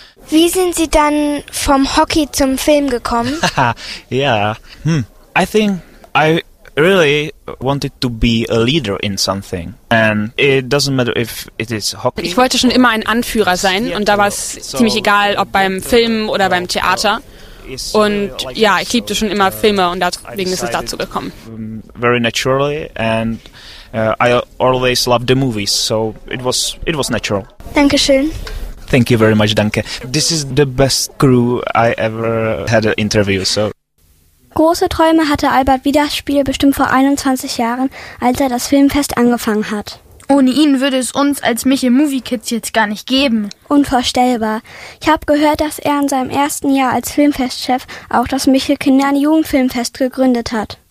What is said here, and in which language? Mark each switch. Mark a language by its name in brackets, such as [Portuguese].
[German] Wie sind Sie dann vom Hockey zum Film gekommen? [English] I think I really wanted to be a leader in something. And it doesn't matter if it is hockey. [German] Ich wollte schon immer ein Anführer sein und da war es ziemlich egal, ob beim Film oder beim Theater. Und ja, ich liebte schon immer Filme und deswegen ist es dazu gekommen. [English] Very naturally and I always loved the movies, so it was natural. [German] Dankeschön. [English] Thank you very much, danke. This is the best crew I ever had an interview, so. [German] Große Träume hatte Albert Wiederspiel bestimmt vor 21 Jahren, als er das Filmfest angefangen hat. Ohne ihn würde es uns als Michi Movie Kids jetzt gar nicht geben. Unvorstellbar. Ich habe gehört, dass er in seinem ersten Jahr als Filmfestchef auch das Michi Kindern Jugendfilmfest gegründet hat.